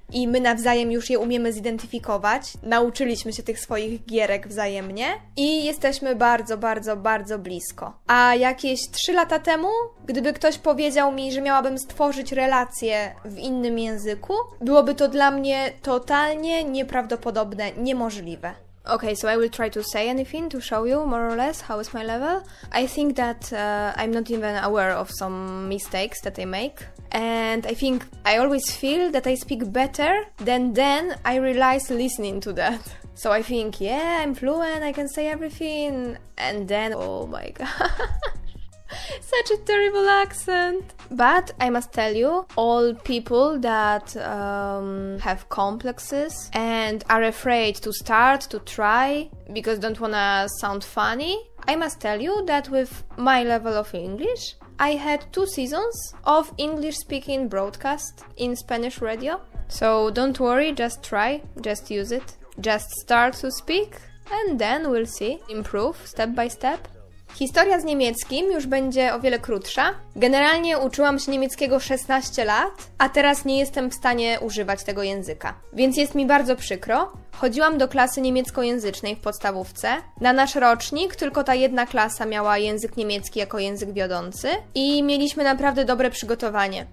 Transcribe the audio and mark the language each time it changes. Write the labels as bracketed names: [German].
[Polish] I my nawzajem już je umiemy zidentyfikować. Nauczyliśmy się tych swoich gierek wzajemnie. I jesteśmy bardzo, bardzo, bardzo blisko. A jakieś 3 lata temu, gdyby ktoś powiedział mi, że miałabym stworzyć relacje w innym języku, byłoby to dla mnie totalnie nieprawdopodobne, niemożliwe. [English] Okay, so I will try to say anything to show you more or less how is my level. I think that I'm not even aware of some mistakes that I make. And I think I always feel that I speak better than then I realized listening to that. So I think, yeah, I'm fluent, I can say everything. And then, oh my god. Such a terrible accent! But I must tell you, all people that have complexes and are afraid to start, to try, because don't wanna sound funny, I must tell you that with my level of English, I had 2 seasons of English speaking broadcast in Spanish radio. So don't worry, just try, just use it. Just start to speak and then we'll see. Improve step by step. [Polish] Historia z niemieckim już będzie o wiele krótsza. Generalnie uczyłam się niemieckiego 16 lat, a teraz nie jestem w stanie używać tego języka. Więc jest mi bardzo przykro. Chodziłam do klasy niemieckojęzycznej w podstawówce. Na nasz rocznik tylko ta jedna klasa miała język niemiecki jako język wiodący i mieliśmy naprawdę dobre przygotowanie.